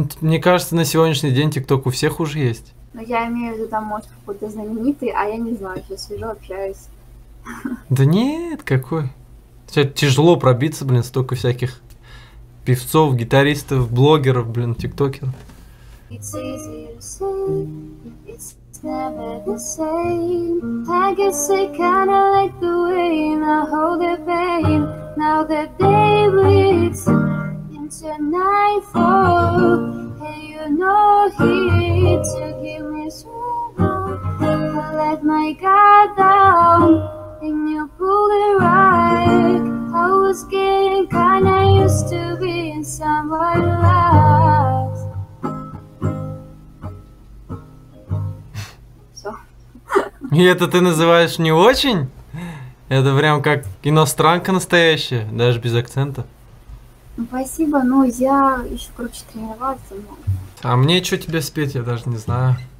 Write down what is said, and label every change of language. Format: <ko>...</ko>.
<ru>Мне кажется, на сегодняшний день тикток у всех уже есть. Но я имею в виду, там может какой-то знаменитый, а я не знаю, сейчас сижу, общаюсь. Да нет, какой? Тебе тяжело пробиться, блин, столько всяких певцов, гитаристов, блогеров, блин, тиктокеров.</ru> <en>It's easy to say, it's never the same. I guess I kinda like the way I hold the pain. Now the day bleeds into nightfall, and you know here to give me strength. I let my guard down, and you pulled it right. I was getting kinda used to being someone else.</en> <ru>И это ты называешь не очень? Это прям как иностранка настоящая, даже без акцента. Спасибо, но я еще круче тренироваться могу. А мне что тебе спеть, я даже не знаю.</ru>